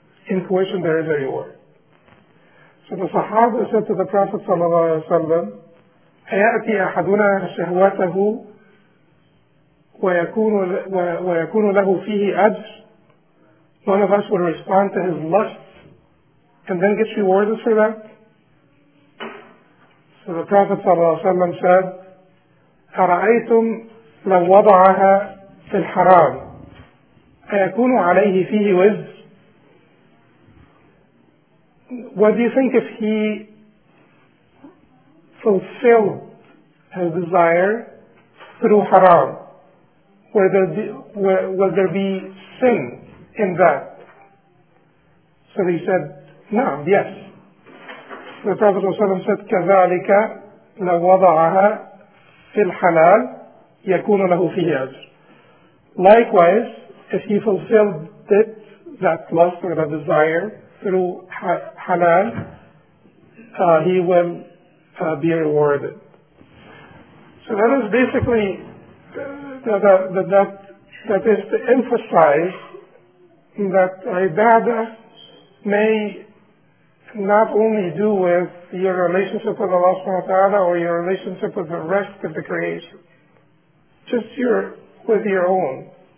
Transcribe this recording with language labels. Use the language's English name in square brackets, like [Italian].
[English] In coition there is a reward. So the Sahaba said to the Prophet sallallahu alaihi wasallam, [Arabic] "Ayati ahaduna shahwatahu ويكون له فيه أجر." [English] One of us will respond to his lust and then get rewarded for that. So the Prophet [Arabic] صلى الله عليه وسلم said, أرأيتم لو وضعها في الحرام أيكون عليه فيه وزر. [English] What do you think if he fulfilled his desire through haram? Will there be sin in that? So he said, no, yes. The Prophet ﷺ said, [Arabic] كَذَلِكَ لَوَضَعَهَا فِي الْحَلَالِ يَكُونُ لَهُ فِيهِ أَجْرٌ. [English] Likewise, if he fulfilled it, that lust or that desire, through halal, he will be rewarded. So that is basically that is to emphasize that ibadah may not only do with your relationship with Allah subhanahu wa ta'ala or your relationship with the rest of the creation, just with your own.